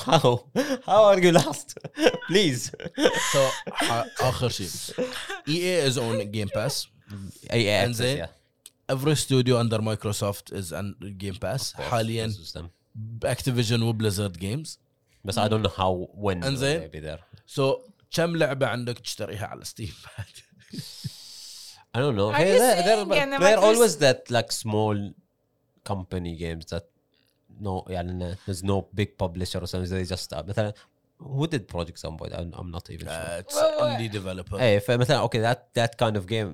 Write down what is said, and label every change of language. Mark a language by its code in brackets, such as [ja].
[en] Wow. How are you lost? Please. So, [ar] آخر شيء. [en] EA is on Game Pass. EA Access, yeah. Every studio under Microsoft is on Game Pass. [ar] حالياً, [en] Activision و Blizzard Games. [ar] بس [en] I don't know how, when they'll be there. [ar] So, كم لعبة عندك تشتريها على ستيم؟ [en] I don't know. They're always that like small company games that no, يعني there's no big publisher or something. They just مثلا who did Project Zomboid? I'm not even sure. It's indie developer. Hey, if مثلا okay, that kind of game.